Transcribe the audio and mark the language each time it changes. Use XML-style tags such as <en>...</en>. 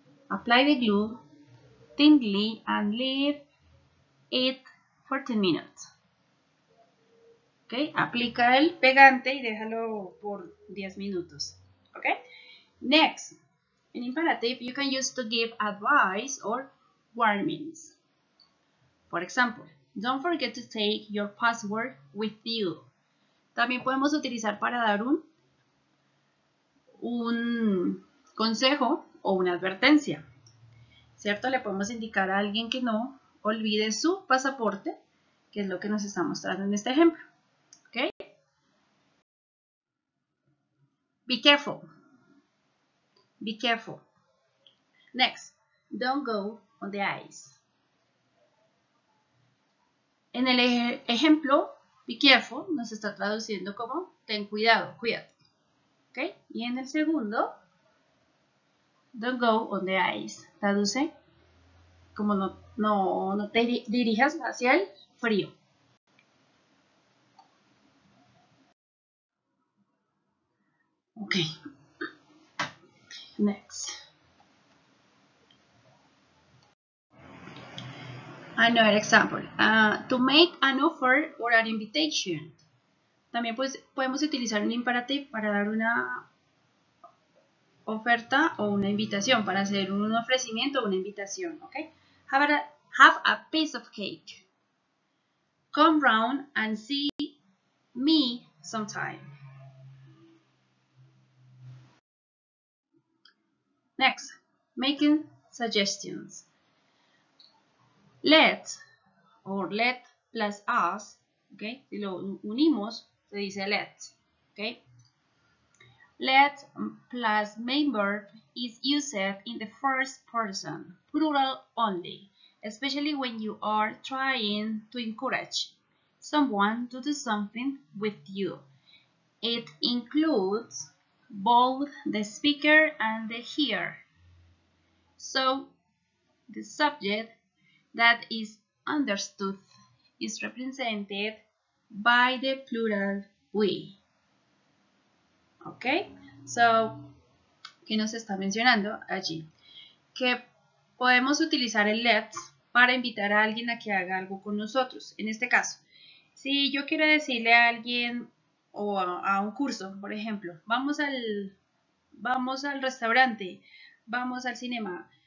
<en>Apply the glue thinly and leave it for 10 minutes. Okay?</en> <es>Aplica el pegante y déjalo por 10 minutos.</es> <en>Okay? Next. In imperative, you can use to give advice or warnings. For example, don't forget to take your password with you.</en> <es>También podemos utilizar para dar un consejo o una advertencia. ¿Cierto? Le podemos indicar a alguien que no olvide su pasaporte, que es lo que nos está mostrando en este ejemplo. ¿Ok?</es> <en>Be careful. Be careful. Next. Don't go on the ice.</en> <es>En el ejemplo,</es> <en>be careful</en> <es>nos está traduciendo como ten cuidado, cuídate. ¿Ok? Y en el segundo,</es> <en>don't go on the ice,</en> <es>traduce como no te dirijas hacia el frío. Ok.</es> <en>Next. Another example, to make an offer or an invitation.</en> <es>También podemos utilizar un imperativo para dar una oferta o una invitación, para hacer un ofrecimiento o una invitación.</es> <en>Okay? Have a piece of cake. Come round and see me sometime. Next, making suggestions. Let, or let plus us, okay,</en> <es>si lo unimos, se dice let,</es> <en>okay. Let plus main verb is used in the first person, plural only, especially when you are trying to encourage someone to do something with you. It includes both the speaker and the hearer. So, the subject that is understood is represented by the plural we.</en> <es>Ok, so, ¿qué nos está mencionando allí? Que podemos utilizar el let para invitar a alguien a que haga algo con nosotros. En este caso, si yo quiero decirle a alguien o a un curso, por ejemplo, vamos al restaurante, vamos al cinema.</es>